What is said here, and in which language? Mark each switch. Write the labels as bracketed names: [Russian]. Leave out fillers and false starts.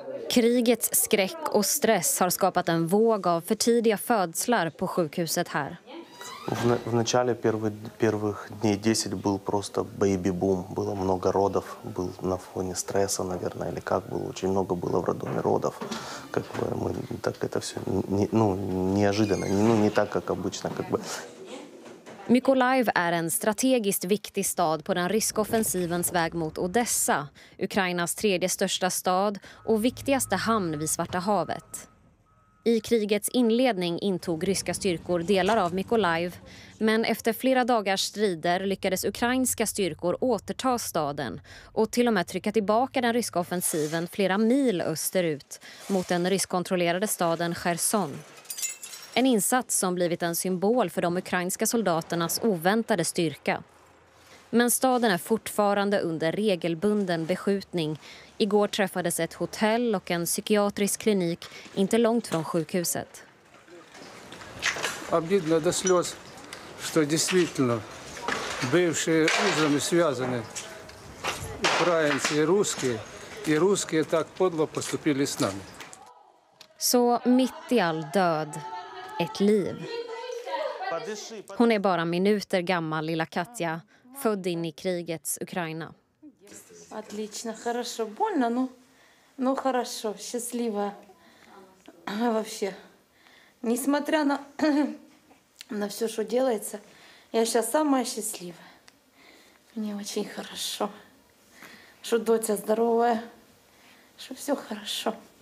[Swedish] Krigets skräck och stress har skapat en våg av förtidiga födslar på sjukhuset här. [Russian] В начале первых дней 10 был просто бэйби-бум, было много родов, был на фоне стресса, наверное, или как было, очень много было в роддоме родов. Как бы мы так это всё неожиданно, не так как обычно, как бы. [Swedish] Mykolaiv är en strategiskt viktig stad på den ryska offensivens väg mot Odessa, Ukrainas tredje största stad och viktigaste hamn vid Svarta havet. I krigets inledning intog ryska styrkor delar av Mykolaiv, men efter flera dagars strider lyckades ukrainska styrkor återta staden och till och med trycka tillbaka den ryska offensiven flera mil österut mot den ryskkontrollerade staden Cherson. En insats som blivit en symbol för de ukrainska soldaternas oväntade styrka. Men staden är fortfarande under regelbunden beskjutning. Igår träffades ett hotell och en psykiatrisk klinik inte långt från sjukhuset. [Russian] Обидно до слез, что действительно бывшие узами связаны украинцы и русские так подло поступили с нами. [Swedish] Så mitt i all död, ett liv. Hon är bara minuter gammal, lilla Katja, född in i krigets Ukraina. [Russian] Отлично, хорошо, больно, но хорошо, счастливо вообще. Несмотря на все, что делается, я сейчас самая счастливая. Мне очень хорошо, что дочь здоровая, что все хорошо.